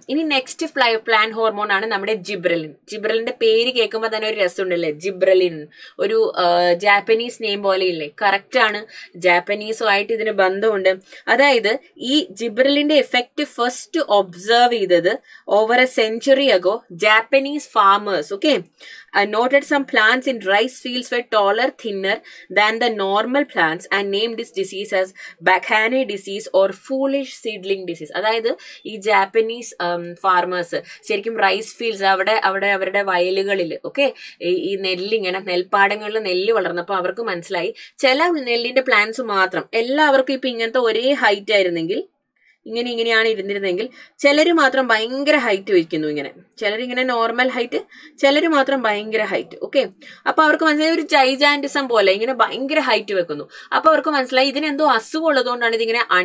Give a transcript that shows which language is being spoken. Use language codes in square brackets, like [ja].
[ml] ഇനി next plant hormone ആണ് നമ്മുടെ ജിബ്രലിൻ. ജിബ്രലിന്റെ പേര് കേൾക്കുമ്പോൾ തന്നെ ഒരു രസമുണ്ടല്ലേ, ജിബ്രലിൻ ഒരു ജാപ്പനീസ് നെയിം പോലെ ഇല്ലേ? കറക്റ്റ് ആണ്, ജാപ്പനീസും ആയിട്ട് ഇതിന് ബന്ധമുണ്ട്. അതായത് ഈ ജിബ്രലിന്റെ എഫക്റ്റ് ഫസ്റ്റ് ഒബ്സർവ് ചെയ്തത് [en] Over a century ago Japanese farmers, okay, noted some plants in rice fields were taller, thinner than the normal plants and named this disease as Bacchani disease or foolish seedling disease. [ml] അതായത് ഈ Japanese farmers ശരിക്കും rice fields അവിടെ അവിടെ അവരുടെ വയലുകളിൽ okay ഈ നെല്ല് ഇങ്ങനെ നെൽപ്പാടങ്ങളിൽ നെല്ല് വളർന്നപ്പോൾ അവർക്ക് മനസ്സിലായി ചില നെല്ലിന്റെ പ്ലാന്റ്സ് മാത്രം എല്ലാവർക്കും ഇപ്പൊ ഇങ്ങനത്തെ ഒരേ ഹൈറ്റ് ആയിരുന്നെങ്കിൽ ഇങ്ങനെ ഇങ്ങനെയാണ് ഇരുന്നിരുന്നെങ്കിൽ ചിലർ മാത്രം ഭയങ്കര ഹൈറ്റ് വയ്ക്കുന്നു ഇങ്ങനെ ചിലർ ഇങ്ങനെ നോർമൽ ഹൈറ്റ് ചിലർ മാത്രം ഭയങ്കര ഹൈറ്റ് ഓക്കെ അപ്പൊ അവർക്ക് മനസ്സിലായി ഒരു ജൈജാൻറ്റിസം പോലെ ഇങ്ങനെ ഭയങ്കര ഹൈറ്റ് വെക്കുന്നു അപ്പൊ അവർക്ക് മനസ്സിലായി ഇതിനെന്തോ അസുഖം ഉള്ളതുകൊണ്ടാണ് ഇതിങ്ങനെ